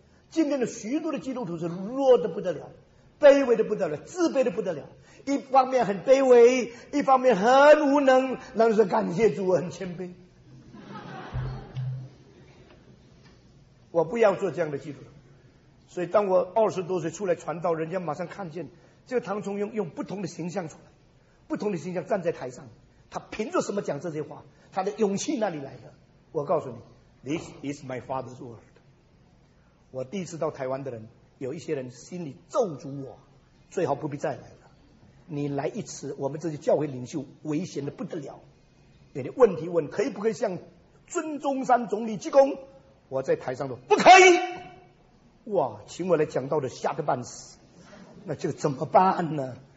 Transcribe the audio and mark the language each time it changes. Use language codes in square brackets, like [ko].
[zh] 今天的许多的基督徒是弱得不得了，卑微的不得了，自卑的不得了，一方面很卑微，一方面很无能，那就是感谢主我很谦卑。我不要做这样的基督徒，所以当我20多岁出来传道，人家马上看见这个唐崇庸用不同的形象出来，不同的形象站在台上，他凭着什么讲这些话？他的勇气哪里来的？我告诉你， [en] This is my father's word。 [zh] 我第一次到台湾的人，有一些人心里咒诅我，最好不必再来了。你来一次，我们这些教会领袖危险的不得了。有点问题问，可以不可以向孙中山总理鞠躬？我在台上说不可以。哇，请我来讲道的吓得半死，那这个怎么办呢？